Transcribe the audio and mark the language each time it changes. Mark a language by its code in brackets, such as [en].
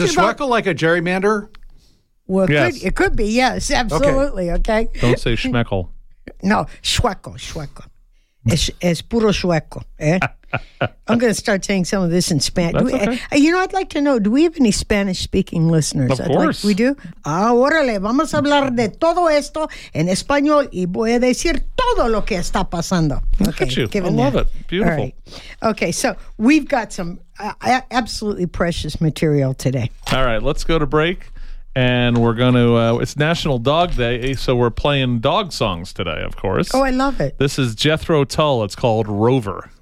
[en] Is a Schweckle like a gerrymander? Well, yes. It could be. Yes, absolutely. Okay. Don't say Schmeckle. [es] No, Schweckle. Es puro Schweckle. Eh? [en] I'm going to start saying some of this in Spanish. I'd like to know, do we have any Spanish-speaking listeners? Of course. We do? [es] Órale, vamos a hablar de todo esto en español y voy a decir todo lo que está pasando. [en] Okay, look at you. I love it. Beautiful. All right. Okay, so we've got some absolutely precious material today. All right, let's go to break. And we're going to, it's National Dog Day, so we're playing dog songs today, of course. Oh, I love it. This is Jethro Tull. It's called Rover.